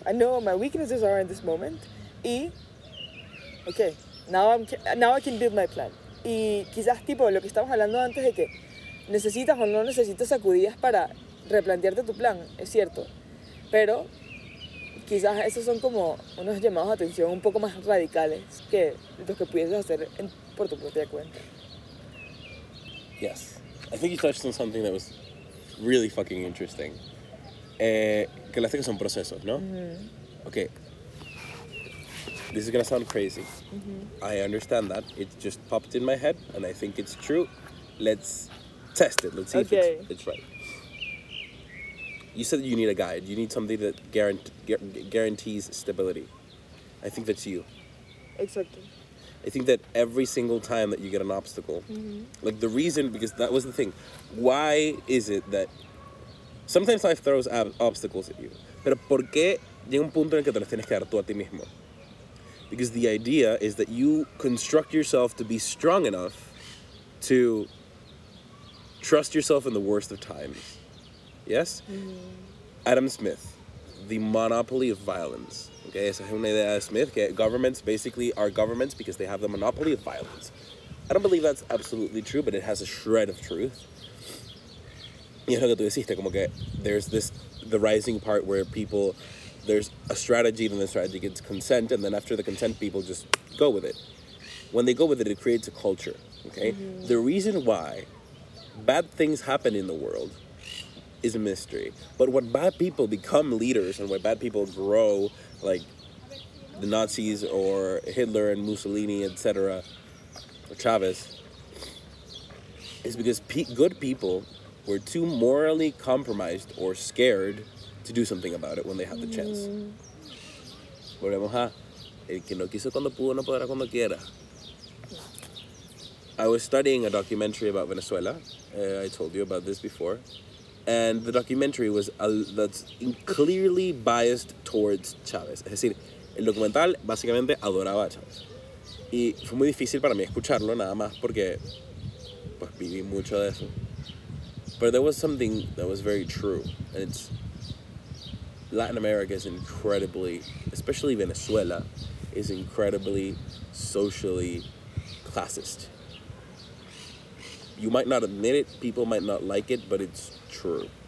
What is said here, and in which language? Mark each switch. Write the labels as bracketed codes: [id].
[en] I know what my weaknesses are in this moment. Y, ok, now I can build my plan. [es] Y quizás, tipo, lo que estamos hablando antes de que necesitas o no necesitas sacudidas para replantearte tu plan, es cierto. Pero quizás esos son como unos llamados de atención un poco más radicales que los que pudieses hacer por tu propia cuenta. [en] Yes. I think you touched on something that was really fucking interesting. [es] Que las cosas son procesos, ¿no? Mm-hmm. [en] Okay. This is gonna sound crazy. Mm-hmm. I understand that. It just popped in my head and I think it's true. Let's test it. Let's see okay. if it's right. You said you need a guide. You need something that guarantees stability. I think that's you. Exactly. I think that every single time that you get an obstacle, mm-hmm. like the reason, because that was the thing. Why is it that sometimes life throws obstacles at you? [es] Pero ¿por qué llega un punto en que te lo tienes que dar tú a ti mismo? [en] Because the idea is that you construct yourself to be strong enough to trust yourself in the worst of times. Yes? Mm-hmm. Adam Smith, the monopoly of violence. Okay, [es] esa es una idea de Smith, que [en] governments basically are governments because they have the monopoly of violence. I don't believe that's absolutely true, but it has a shred of truth. [es] Y es lo que tú deciste, como que [en] there's this, the rising part where people, there's a strategy, then the strategy gets consent, and then after the consent, people just go with it. When they go with it, it creates a culture, okay? Mm-hmm. The reason why bad things happen in the world is a mystery. But when bad people become leaders and when bad people grow, like the Nazis or Hitler and Mussolini, etc., or Chavez, is because good people were too morally compromised or scared to do something about it when they had the chance. [es] Volvemos a el que no quiso cuando pudo no podrá cuando quiera. [en] I was studying a documentary about Venezuela. I told you about this before. And the documentary was that's clearly biased towards Chávez. [es] Es decir, el documental básicamente adoraba a Chávez. Y fue muy difícil para mí escucharlo nada más porque pues viví mucho de eso. [en] But there was something that was very true. And it's Latin America is incredibly, especially Venezuela, is incredibly socially classist. You might not admit it, people might not like it, but it's true.